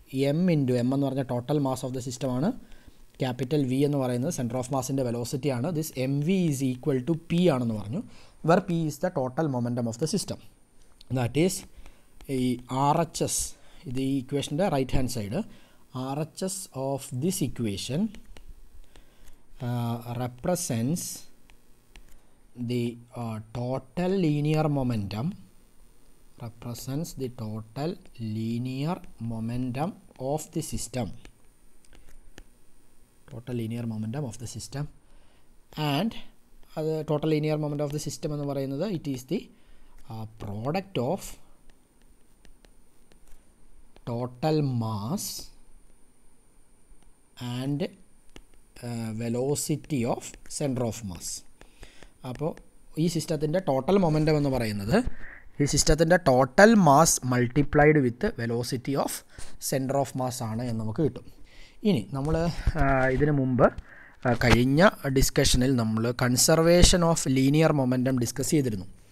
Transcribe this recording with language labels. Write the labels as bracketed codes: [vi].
[ml] M into M എന്ന് പറഞ്ഞാൽ total mass of the സിസ്റ്റമാണ്, ക്യാപിറ്റൽ വി എന്ന് പറയുന്നത് centre of മാസിൻ്റെ വെലോസിറ്റിയാണ്. [en] this M V is equal to P [ml] ആണെന്ന് പറഞ്ഞു, [en] Where P is the total momentum of the system. That is ഈ R H S, [ml] ഇത് ഈ ഇക്വേഷൻ്റെ right hand side, [en] R H S of this equation represents the total linear momentum, represents the total linear momentum of the system, total linear momentum of the system, and the total linear momentum of the system [ml] ennu parayunnathu [en] it is the product of total mass and velocity of center of mass. [ml] appo ee systemathinte total momentum ennu parayunnathu ഈ സിസ്റ്റത്തിൻ്റെ [en] total mass multiplied with velocity of centre of mass [ml] ആണ് എന്ന് നമുക്ക് കിട്ടും. ഇനി നമ്മൾ ഇതിനു മുമ്പ് കഴിഞ്ഞ ഡിസ്കഷനിൽ നമ്മൾ conservation of linear momentum discuss ചെയ്തിരുന്നു.